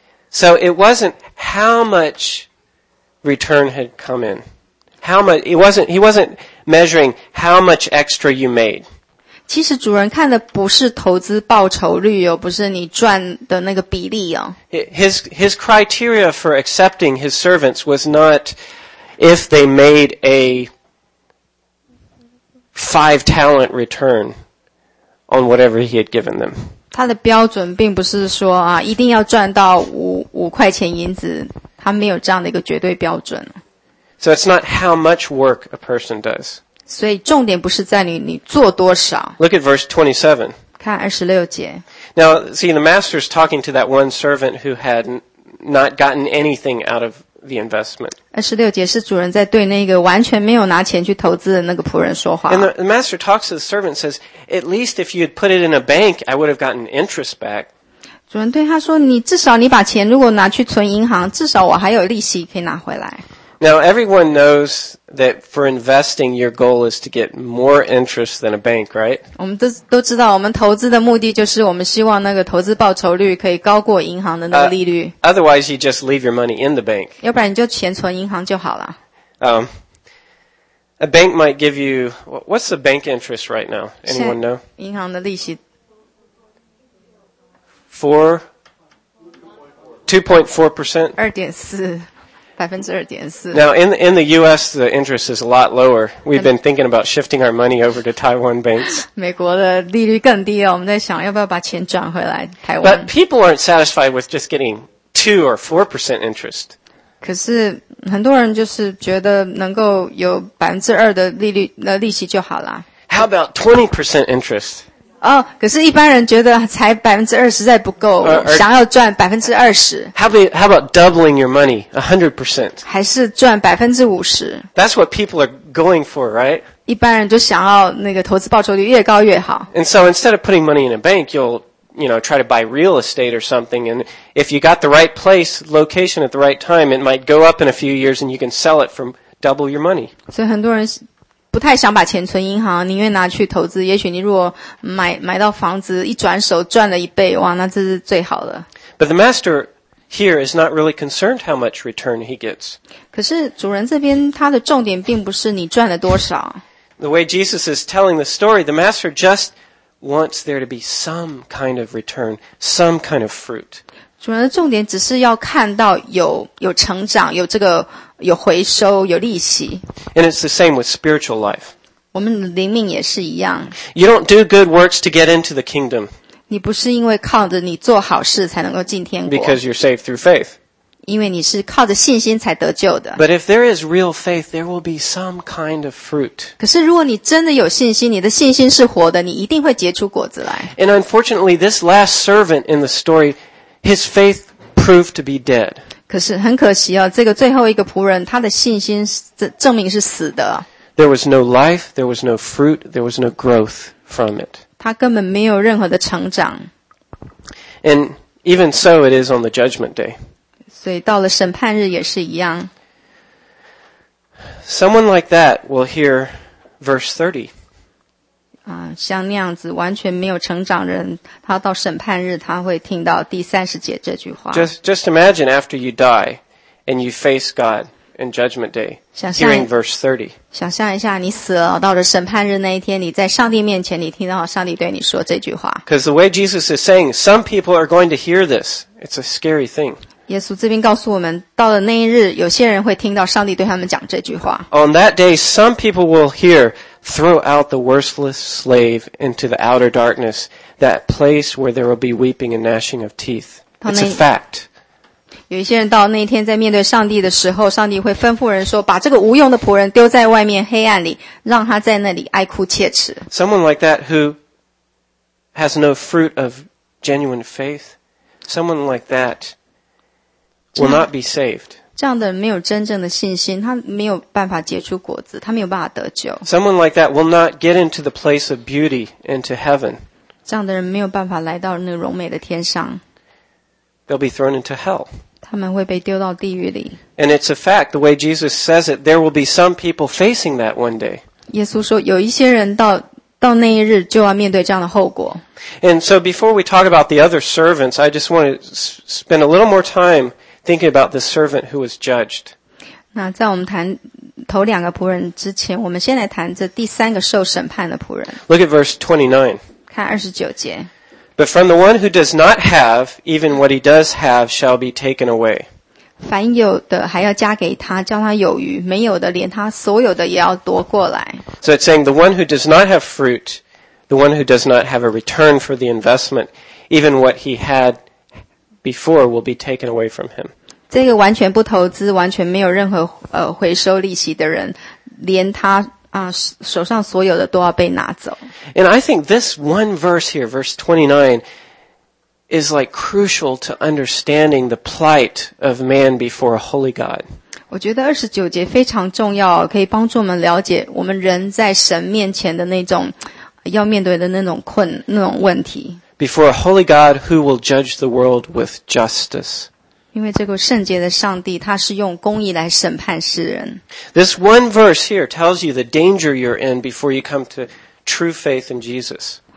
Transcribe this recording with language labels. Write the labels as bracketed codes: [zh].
[en] So it wasn't how much return had come in. He wasn't measuring how much extra you made. [zh] 其实主人看的不是投资报酬率哦，不是你赚的那个比例哦。 [en] His criteria for accepting his servants was not if they made a 5-talent return on whatever he had given them. [zh] 他的标准并不是说啊，一定要赚到五块钱银子，他没有这样的一个绝对标准。 [en] So it's not how much work a person does. [zh] 所以重点不是在于你做多少。 [en] Look at verse 27. [zh] 看26节。 [en] Now, see, the master is talking to that one servant who had not gotten anything out of the investment. [zh] 26节是主人在对那个完全没有拿钱去投资的那个仆人说话。 [en] And the master talks to the servant and says, at least if you had put it in a bank, I would have gotten interest back. [zh] 主人对他说，你至少你把钱如果拿去存银行，至少我还有利息可以拿回来。 [en] Now, everyone knows that for investing, your goal is to get more interest than a bank, right? [zh] 我们都知道，我们投资的目的就是我们希望那个投资报酬率可以高过银行的那个利率。 [en] Otherwise, you just leave your money in the bank. [zh] 要不然你就钱存银行就好了。 [en] A bank might give you, what's the bank interest right now? Anyone know? [zh] 银行的利息。 [en] 2.4%? [zh] 2.4%。 [en] Now, in the U.S., the interest is a lot lower. We've been thinking about shifting our money over to Taiwan banks. [zh] 美国的利率更低了，我们在想要不要把钱转回来台湾。 [en] But people aren't satisfied with just getting 2 or 4% interest. [zh] 可是很多人就是觉得能够有 2% 的利率的利息就好了。 [en] How about 20% interest? [zh] 哦，可是一般人觉得才20%实在不够，想要赚20%。 [en] How about doubling your money, 100%? [zh] 还是赚50%。 [en] That's what people are going for, right? [zh] 一般人就想要那个投资报酬率越高越好。 [en] And so instead of putting money in a bank, you'll try to buy real estate or something, and if you got the right place, location at the right time, it might go up in a few years, and you can sell it for double your money. [zh] 所以很多人不太想把钱存银行，宁愿拿去投资。也许你如果买到房子，一转手赚了一倍，哇，那这是最好的。 [en] But the master here is not really concerned how much return he gets. [zh] 可是主人这边他的重点并不是你赚了多少。 [en] The way Jesus is telling the story, the master just wants there to be some kind of return, some kind of fruit. [zh] 主人的重点只是要看到有成长，有这个。有回收，有利息。 [en] And it's the same with spiritual life. [zh] 我们灵命也是一样。 [en] You don't do good works to get into the kingdom. [zh] 你不是因为靠着你做好事才能够进天国。 [en] Because you're saved through faith. [zh] 因为你是靠着信心才得救的。 [en] But if there is real faith, there will be some kind of fruit. [zh] 可是如果你真的有信心，你的信心是活的，你一定会结出果子来。 [en] And unfortunately, this last servant in the story, his faith proved to be dead. [zh] 可是很可惜哦，这个最后一个仆人，他的信心证明是死的。 [en] There was no life, there was no fruit, there was no growth from it. [zh] 他根本没有任何的成长。 [en] And even so, it is on the judgment day. [zh] 所以到了审判日也是一样。 [en] Someone like that will hear verse 30. [zh] 像那样子完全没有成长的人，他到审判日他会听到第三十节这句话。 [en] Just imagine after you die and you face God in judgment day, hearing verse 30. [zh] 想象一下你死了，到了审判日那一天，你在上帝面前，你听到上帝对你说这句话。 [en] Because the way Jesus is saying, some people are going to hear this. It's a scary thing. [zh] 耶稣这边告诉我们，到了那一日，有些人会听到上帝对他们讲这句话。 [en] On that day, some people will hear,Throw out the worthless slave into the outer darkness, that place where there will be weeping and gnashing of teeth. It's a fact. [zh] 有一些人到那一天在面对上帝的时候，上帝会吩咐人说，把这个无用的仆人丢在外面黑暗里，让他在那里哀哭切齿。 [en] Someone like that who has no fruit of genuine faith, someone like that will not be saved. [zh] 这样的人没有真正的信心，他没有办法结出果子，他没有办法得救。 [en] Someone like that will not get into the place of beauty into heaven. [zh] 这样的人没有办法来到那荣美的天上。 [en] They'll be thrown into hell. [zh] 他们会被丢到地狱里。 [en] And it's a fact, the way Jesus says it, there will be some people facing that one day. [zh] 耶稣说，有一些人到那一日就要面对这样的后果。 [en] And so before we talk about the other servants, I just want to spend a little more time thinking about the servant who was judged. [zh] 那在我们谈头两个仆人之前，我们先来谈这第三个受审判的仆人。 [en] Look at verse 29. [zh] 看29节。 [en] But from the one who does not have, even what he does have shall be taken away. [zh] 凡有的还要加给他，叫他有余；没有的，连他所有的也要夺过来。 [en] So it's saying the one who does not have fruit, the one who does not have a return for the investment, even what he had. Before will be taken away from him. [zh] 这个完全不投资，完全没有任何回收利息的人，连他手上所有的都要被拿走。 [en] And I think this one verse here, verse 29, is like crucial to understanding the plight of man before a holy God. [zh] 我觉得29节非常重要，可以帮助我们了解我们人在神面前的那种要面对的那种困那种问题。 [en] Before a holy God who will judge the world with justice. [zh] 因为这个圣洁的上帝他是用公义来审判世人。 [en] This one verse here tells you the danger you're in before you come to true faith in Jesus.